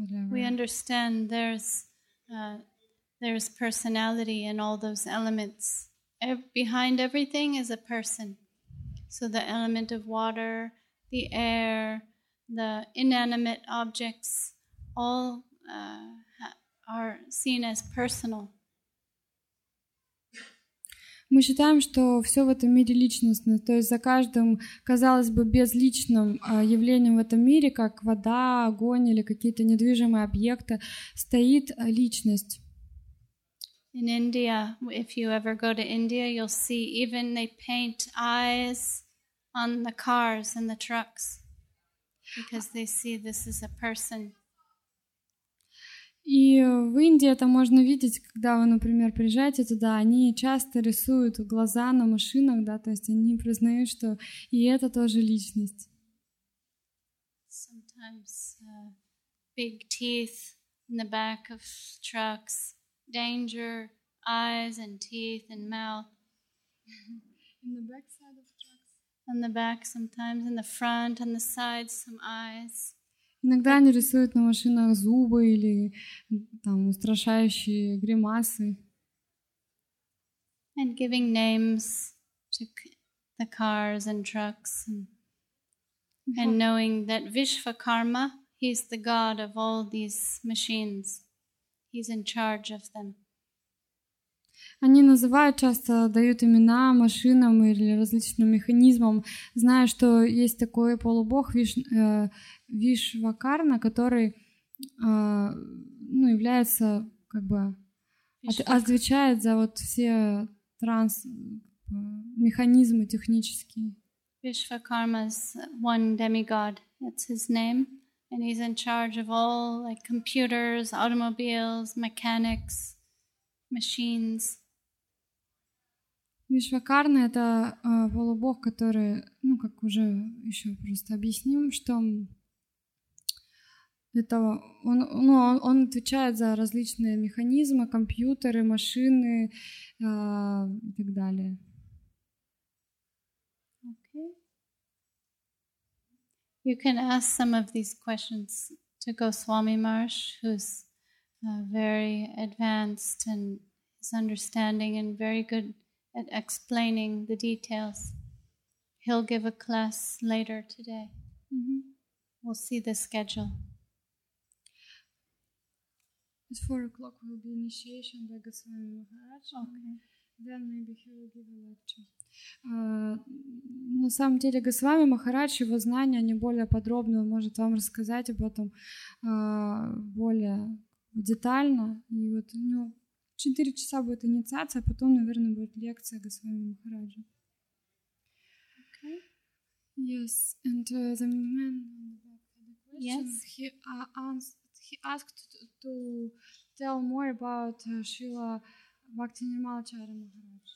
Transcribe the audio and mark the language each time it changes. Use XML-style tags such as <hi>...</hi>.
<en>We understand there's personality in all those elements. Behind everything is a person. So the element of water, the air, the inanimate objects, all are seen as personal.</en> <ru>Мы считаем, что все в этом мире личностно, то есть за каждым, казалось бы, безличным явлением в этом мире, как вода, огонь или какие-то недвижимые объекты, стоит личность.</ru> <en>In India, if you ever go to India, you'll see even they paint eyes on the cars and the trucks, because they see this is a person.</en> <ru>И в Индии это можно видеть, когда вы, например, приезжаете туда, они часто рисуют глаза на машинах, да, то есть они признают, что и это тоже личность.</ru> <en>Sometimes big teeth in the back of trucks, danger, eyes and teeth and mouth. In the back side of trucks? On the back sometimes, in the front, on the sides, some eyes.</en> <ru>Иногда они рисуют на машинах зубы или там устрашающие гримасы.</ru> <en>And giving names to the cars and trucks, and knowing that Vishvakarma, he's the god of all these machines. He's in charge of them.</en> <ru>Они называют часто, дают имена машинам или различным механизмам, зная, что есть такой полубог Вишвакарна, который ну, является, как бы, отвечает за вот все транс-механизмы технические.</ru> <en>Vishvakarma is one demigod, it's his name, and he's in charge of all, like, computers, automobiles, mechanics, machines.</en> <ru>Вишвакарна — это полубог, который, ну, как уже еще просто объясним, что это он, ну, он отвечает за различные механизмы, компьютеры, машины и так далее.</ru> <en>Okay. You can ask some of these questions to Goswami Maharaj, who's very advanced and his understanding and very good at explaining the details. He'll give a class later today. Mm-hmm. We'll see the schedule. At 4 o'clock will be initiation by Goswami Maharaj. Okay. Then maybe he will give a lecture.</en> <ru>На самом деле Госвами Махарадж, его знания, они более подробно, он может вам рассказать об этом более детально. И вот у него 4 часа будет инициация, а потом, наверное, будет лекция Госвами Махараджа.</ru> <en>Okay. Yes, and the man on the back had a question. Yes. He asked to tell more about Srila Bhakti Nirmalacharya Maharaj.</en>